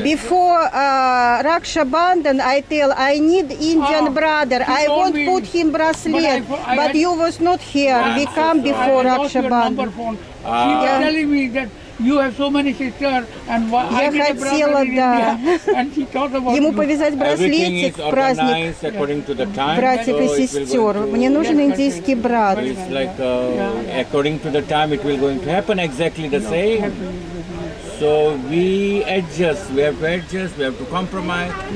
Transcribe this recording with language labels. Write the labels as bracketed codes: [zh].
[en] Before Raksha Bandhan, I tell, I need Indian brother. I won't me. Put him bracelet, but you was not here. Yeah, we come before Raksha Bandhan. I lost your number phone. She was telling me that you have so many sisters, and I need a brother in India. And she talked about [ru] ему повязать браслетик в праздник братьев и сестер. Мне нужен индийский брат. [en] According to the time, it will going to happen exactly the same. So we adjust, we have to adjust, we have to compromise.